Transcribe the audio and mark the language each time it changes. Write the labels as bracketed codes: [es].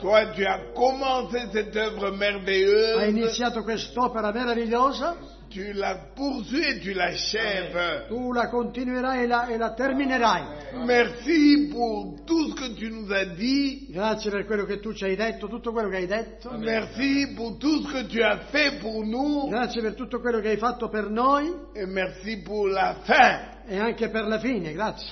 [fr] Toi, tu as commencé cette œuvre merveilleuse. [it] Hai iniziato quest'opera meravigliosa. [fr] Tu la poursuis et tu l'achèves. Amen. [it] Tu la continuerai e la terminerai. [fr] Merci pour tout ce que tu nous as dit. [it] Grazie per quello che tu ci hai detto, tutto quello che hai detto. [fr] Amen. Merci pour tout ce que tu as fait pour nous. [it] Grazie per tutto quello che hai fatto per noi. [fr] Et merci pour la fin. [it] E anche per la fine, grazie.